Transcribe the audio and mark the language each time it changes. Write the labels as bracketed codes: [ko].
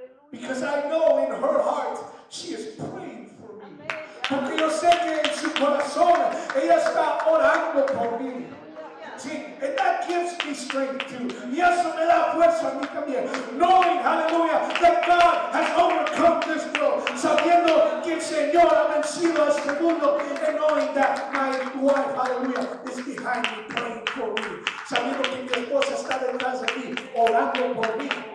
[en] Because I know in her heart she is praying for me. [es] Porque yo sé que en su corazón ella está orando por mí. [en] See, and that gives me strength too. [es] Y eso me da fuerza a mí también. [en] Knowing, hallelujah, that God has overcome this world. [es] Sabiendo que el Señor ha vencido este mundo. [en] And knowing that my wife, hallelujah, is behind me praying for me. [es] Sabiendo que mi esposa está detrás de mí, orando por mí.